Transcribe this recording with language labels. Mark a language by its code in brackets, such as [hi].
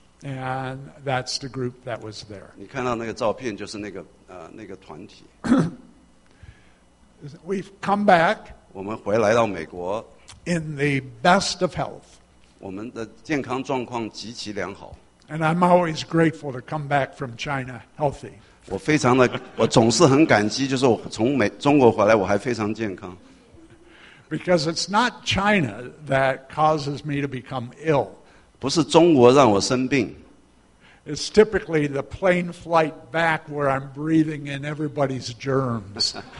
[en] And that's the group that was there. [zh] 你看到那个照片就是那个团体。 [en] We've come back. [zh] 我们回来到美国。 [en] In the best of health. [zh] 我们的健康状况极其良好。 [en] And I'm always grateful to come back from China healthy. [zh] 我总是很感激，就是我从中国回来，我还非常健康。 [en] Because it's not China that causes me to become ill. [zh] 不是中国让我生病。 [en] It's typically the plane flight back where I'm breathing in everybody's germs.